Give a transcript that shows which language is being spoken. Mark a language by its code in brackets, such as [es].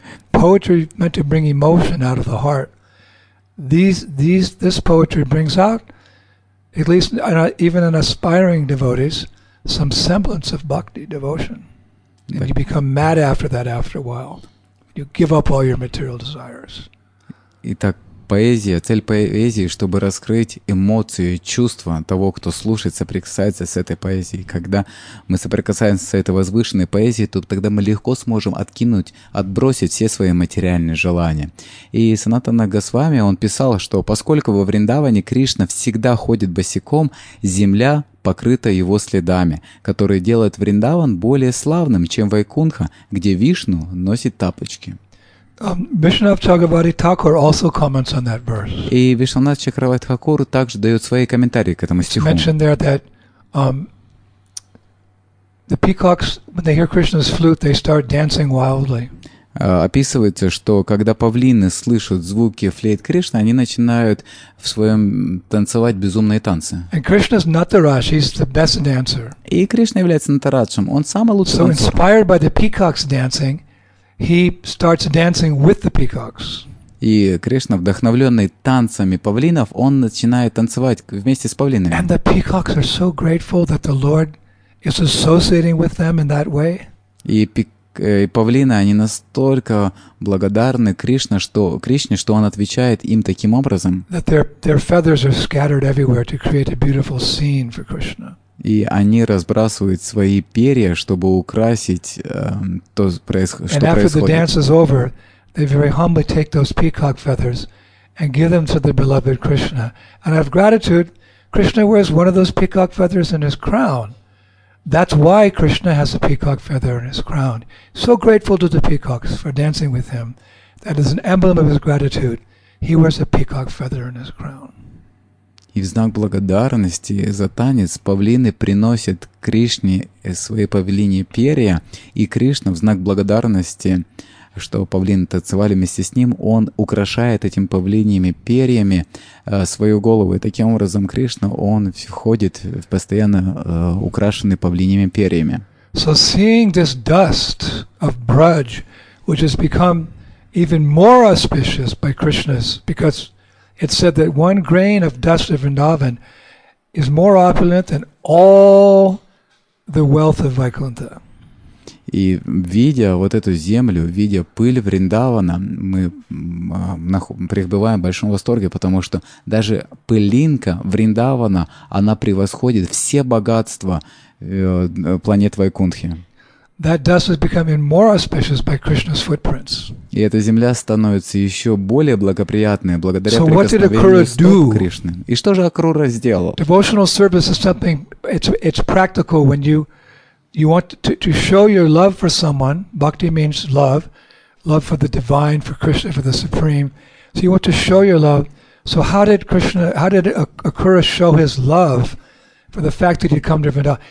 [en] Poetry meant to bring emotion out of the heart. This poetry brings out, at least even in aspiring devotees, some semblance of bhakti, devotion. And you become mad after that after a while. You give up all your material desires. [ru] Итак, поэзия, цель поэзии, чтобы раскрыть эмоции, чувства того, кто слушает, соприкасается с этой поэзией. Когда мы соприкасаемся с этой возвышенной поэзией, то тогда мы легко сможем откинуть, отбросить все свои материальные желания. И Санатана Госвами, он писал, что поскольку во Вриндаване Кришна всегда ходит босиком, земля покрыта его следами, которые делают Вриндаван более славным, чем Вайкунха, где Вишну носит тапочки. [en] Vishwanath Chakravarti Thakur also comments on that verse. [ru] И Вишванат Чакраварти Тхакур также дает свои комментарии к этому стиху. [en] Mentioned there that the peacocks, when they hear Krishna's flute, they start dancing wildly. [ru] Описывается, что когда павлины слышат звуки флейт Кришны, они начинают в своем танцевать безумные танцы. [en] And Krishna's Nataraj, he's the best dancer. [ru] И Кришна является Натараджем, он самый лучший танцор. [en] So inspired by the peacocks dancing, he starts dancing with the peacocks. [ru] И Кришна, вдохновленный танцами павлинов, он начинает танцевать вместе с павлинами. [en] And the peacocks are so grateful that the Lord is associating with them in that way. [ru] И павлины, они настолько благодарны Кришне, что он отвечает им таким образом. [en] That their feathers are scattered everywhere to create a beautiful scene for Krishna. [ru] И они разбрасывают свои перья, чтобы украсить то, что происходит. [en] And after the dance is over, they very humbly take those peacock feathers and give them to their beloved Krishna. And out of gratitude, Krishna wears one of those peacock feathers in his crown. That's why Krishna has a peacock feather in his crown. So grateful to the peacocks for dancing with him. That is an emblem of his gratitude. He wears a peacock feather in his crown. [ru] И в знак благодарности за танец павлины приносят Кришне свои павлиньи перья, и Кришна в знак благодарности, что павлины танцевали вместе с ним, он украшает этим павлиньими перьями свою голову. И таким образом Кришна, он входит в постоянно украшенный павлиньими перьями. [en] So seeing this dust of Braj, which has become even more auspicious by Krishna's, because it said that one grain of dust of Vrindavan is more opulent than all the wealth of Vaikuntha. [ru] И видя вот эту землю, видя пыль Вриндавана, мы пребываем в большом восторге, потому что даже пылинка Вриндавана, она превосходит все богатства планет Вайкунтхи. [en] That dust is becoming more auspicious by Krishna's footprints. [ru] И эта земля становится еще более благоприятной благодаря прикосновению Кришны. И что же Акрура сделал? [en] Devotional service is something, it's practical when you want to show your love for someone. Bhakti means love. Love for the divine, for Krishna, for the supreme. So you want to show your love. So how did Akura show his love for the fact that he'd come to Vrindavan?